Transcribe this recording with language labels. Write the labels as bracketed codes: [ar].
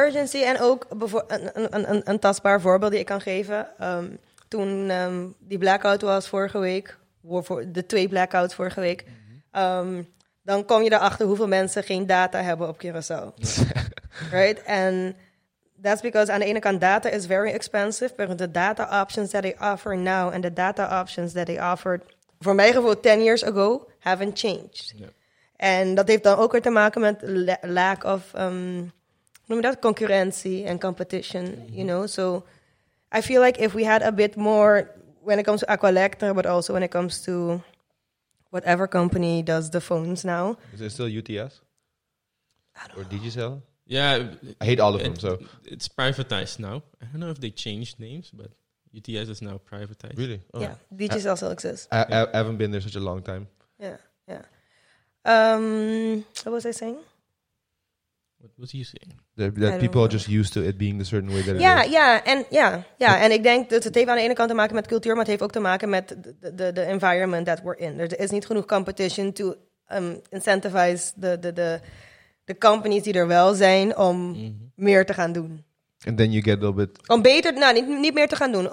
[en] urgency and [nl] ook een tastbaar voorbeeld die ik kan geven. Toen die blackout was vorige week, de twee blackouts vorige week, dan kom je erachter hoeveel mensen geen data hebben op Curaçao. [en] Right? And that's because [nl] aan de ene kant [en] data is very expensive, but the data options that they offer now and the data options that they offered [nl] voor mijn gevoel [en] 10 years ago haven't changed. Yeah. [nl] En dat heeft dan ook weer te maken met [en] lack of, [nl] hoe noem je dat, concurrentie en competition, mm-hmm. [en] You know. So I feel like if we had a bit more, when it comes to Aqualector, but also when it comes to whatever company does the phones now. Is it still UTS? Or Digicel? Yeah. I hate all of them, so. It's privatized now. I don't know if they changed names, but UTS is now privatized. Really? Oh. Yeah, Digicel still exists. I haven't been there such a long time. Yeah, yeah. What was I saying? What was you saying? That people are just used to it being the certain way that Yeah. [nl] En ik denk dat het heeft aan de ene kant te maken met cultuur, maar het heeft ook te maken met [en] the environment that we're in. There is [nl] niet genoeg [en] competition to incentivize the companies [nl] die er wel zijn om meer te gaan doen. [en] And then you get a little bit. [nl] Om beter, niet meer te gaan doen.